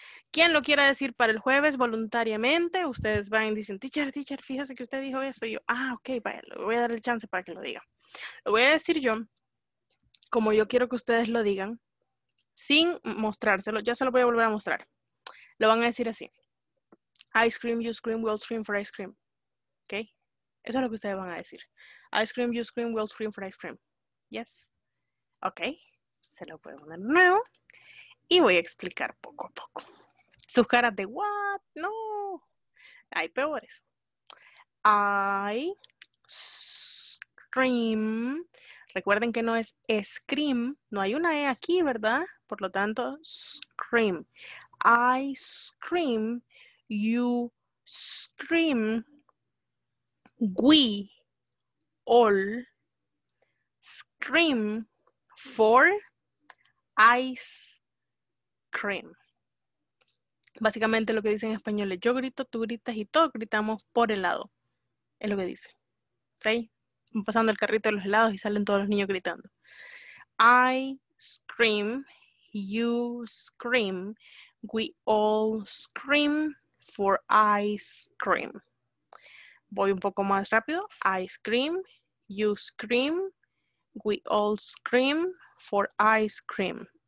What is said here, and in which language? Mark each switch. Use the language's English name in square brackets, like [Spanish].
[Spanish] ¿Quién lo quiera decir para el jueves voluntariamente? Ustedes van y dicen, teacher, fíjese que usted dijo eso. Y yo, ok, vaya, le voy a dar el chance para que lo diga. Lo voy a decir yo, como yo quiero que ustedes lo digan, sin mostrárselo, ya se lo voy a volver a mostrar. Lo van a decir así. [English] Ice cream, you scream, we'll scream for ice cream. [Spanish] Ok, eso es lo que ustedes van a decir. [English] Ice cream, you scream, we'll scream for ice cream. [Spanish] Yes. Ok. Se lo puedo poner de nuevo. Y voy a explicar poco a poco. Sus caras de what? No. Hay peores. [English] I scream. [Spanish] Recuerden que no es scream. No hay una E aquí, ¿verdad? Por lo tanto, scream. [English] I scream. You scream. We all scream for ice cream. [Spanish] Básicamente lo que dicen en español es yo grito, tú gritas y todos gritamos por helado. Es lo que dice. ¿Sí? Pasando el carrito de los helados y salen todos los niños gritando. [English] I scream, you scream, we all scream for ice cream. [Spanish] Voy un poco más rápido. [English] I scream, you scream, we all scream for ice cream.